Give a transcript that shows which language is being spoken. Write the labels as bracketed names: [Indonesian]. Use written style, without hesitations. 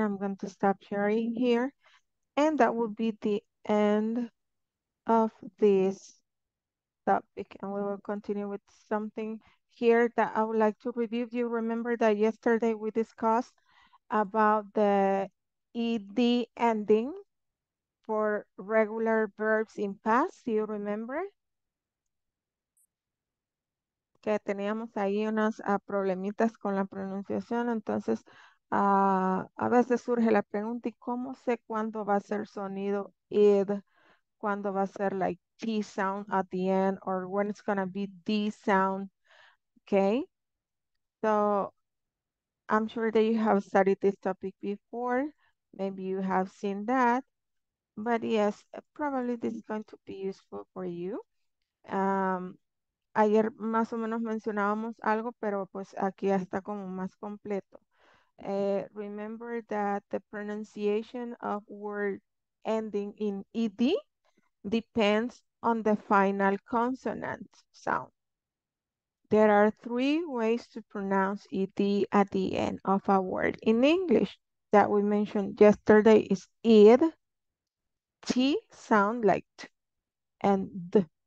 [English] I'm going to stop sharing here, and that will be the end of this topic, and we will continue with something here that I would like to review. You remember that yesterday we discussed about the ed ending for regular verbs in past. Do you remember? [Spanish] Que teníamos ahí unas problemitas con la pronunciación, entonces a veces surge la pregunta, ¿y cómo sé cuándo va a ser sonido id? ¿Cuándo va a ser [English] like T sound at the end? Or when it's going to be D sound? Okay, so I'm sure that you have studied this topic before, maybe you have seen that, but yes, probably this is going to be useful for you. [Spanish] Ayer más o menos mencionábamos algo, pero pues aquí ya está como más completo. [English] Remember that the pronunciation of word ending in ed depends on the final consonant sound. There are three ways to pronounce ed at the end of a word in English that we mentioned yesterday is id, t sound like t, and d.